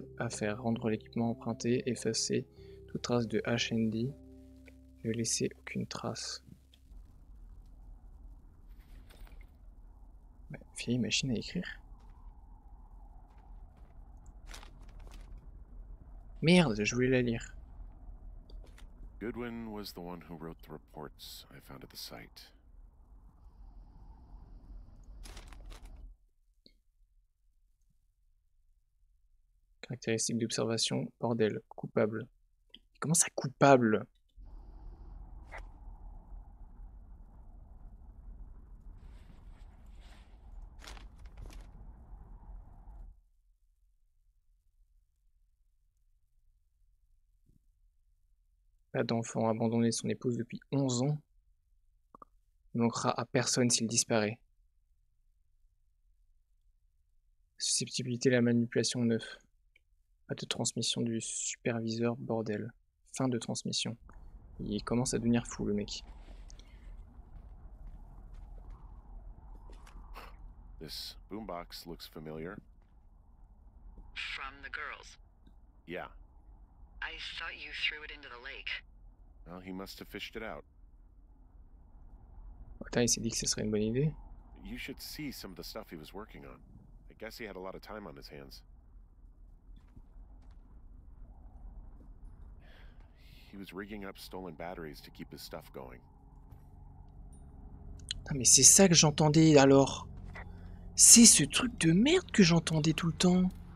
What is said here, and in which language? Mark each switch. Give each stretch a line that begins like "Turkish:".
French: Affaire, rendre l'équipement emprunté, effacer toute trace de HND, ne laisser aucune trace. Bah, vieille machine à écrire. Merde, je voulais la lire.
English: Goodwin was the one who wrote the reports I found at the site.
French: Caractéristiques d'observation, bordel, coupable. Comment ça, coupable ? Pas d'enfant, abandonné son épouse depuis 11 ans. Il manquera à personne s'il disparaît. Susceptibilité à la manipulation, 9. Pas de transmission du superviseur, bordel. Fin de transmission. Il commence à devenir fou, le mec.
English: This boombox looks familiar. From the girls. Yeah. I thought you threw it into the lake. Well, he must have fished it out.
French: Putain, il s'est dit que ce serait une bonne idée.
English: You should see some of the stuff he was working on. I guess he had a lot of time on his hands. He was rigging up stolen batteries to keep his stuff going.
French: Ah, mais c'est ça que j'entendais alors. C'est ce truc de merde que j'entendais tout le temps.